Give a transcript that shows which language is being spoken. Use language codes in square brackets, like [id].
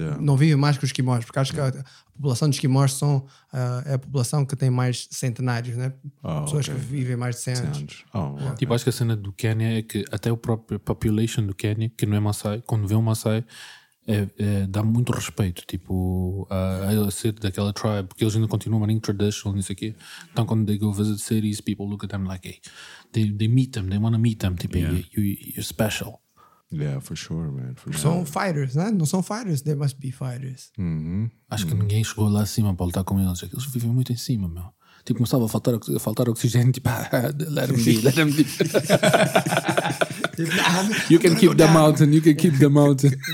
[pt] Não vivem mais que os esquimós, porque acho que a população dos esquimós é a população que tem mais centenários, né? Pessoas que vivem mais de 100 anos. Tipo, acho que a cena do Quênia é que até o próprio population do Quênia, que não é Maasai, quando vê um Maasai, dá muito respeito, tipo, a ser daquela tribe, porque eles ainda continuam running traditional nisso aqui. Então, quando [en] they go visit cities, people look at them like, hey, they meet them, they want to meet them, tipo, you're special. Yeah, for sure, man. [pt] São fighters, né? Não são fighters, [en] they must be fighters. [pt] Acho que ninguém chegou lá acima para lutar com eles, eles vivem muito em cima, meu. Tipo, começava a faltar oxigênio, tipo, [en] let them be. You can keep the mountain. You can keep the mountain.